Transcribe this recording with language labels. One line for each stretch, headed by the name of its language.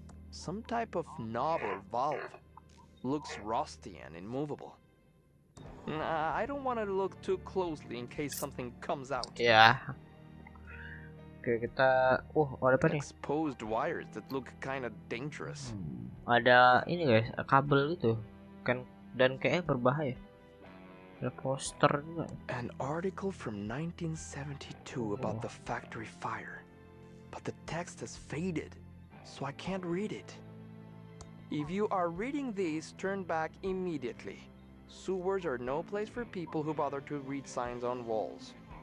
English: Some type of knob or valve. Looks rusty and immovable. I don't want to look too closely in case something comes out.
Indonesian: Yeah. Okay, kita. Oh, ada apa nih?
English: Exposed wires that look kind of dangerous.
Indonesian: Ada ini guys, kabel gitu. Kan dan kayaknya berbahaya. Ada poster juga.
English: An article from 1972 about the factory fire, but the text has faded, so I can't read it. If you are reading these, turn back immediately. Sewers are no place for people who bother to read signs on walls.